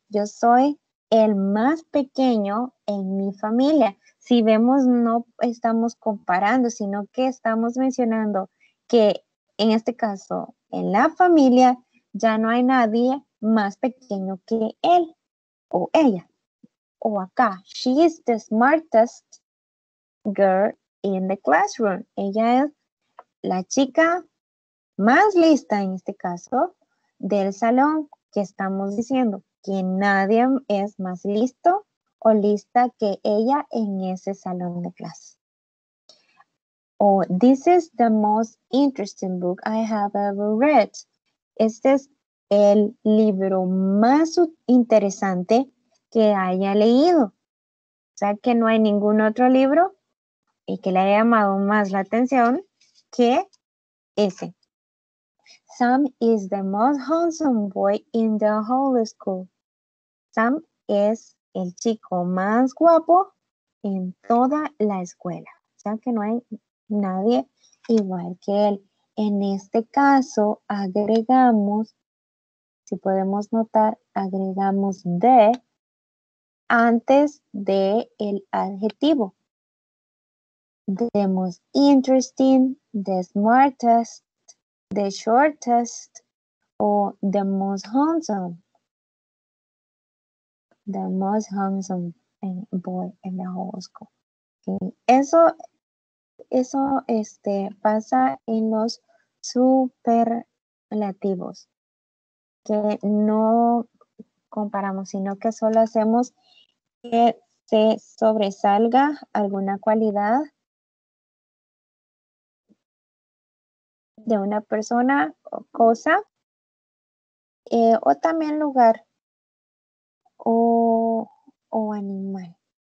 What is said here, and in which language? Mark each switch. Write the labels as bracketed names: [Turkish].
[Spanish] Yo soy el más pequeño en mi familia. Si vemos, no estamos comparando, sino que estamos mencionando que en este caso, en la familia, ya no hay nadie más pequeño que él o ella. O acá, [English] she is the smartest girl in the classroom. [Spanish] Ella es la chica más lista, en este caso, del salón, que estamos diciendo que nadie es más listo o lista que ella en ese salón de clase. [English] O, this is the most interesting book I have ever read. [Spanish] Este es el libro más interesante que haya leído. O sea, que no hay ningún otro libro y que le haya llamado más la atención que ese. [English] Sam is the most handsome boy in the whole school. [Spanish] Sam es el chico más guapo en toda la escuela. O sea, que no hay nadie igual que él. En este caso, agregamos, si podemos notar, agregamos the antes de el adjetivo. [English] The most interesting, the smartest, the shortest, or the most handsome. The most handsome boy in the whole school. Okay. [Spanish] Eso pasa en los superlativos, que no comparamos, sino que solo hacemos que se sobresalga alguna cualidad de una persona o cosa, o también lugar o animal.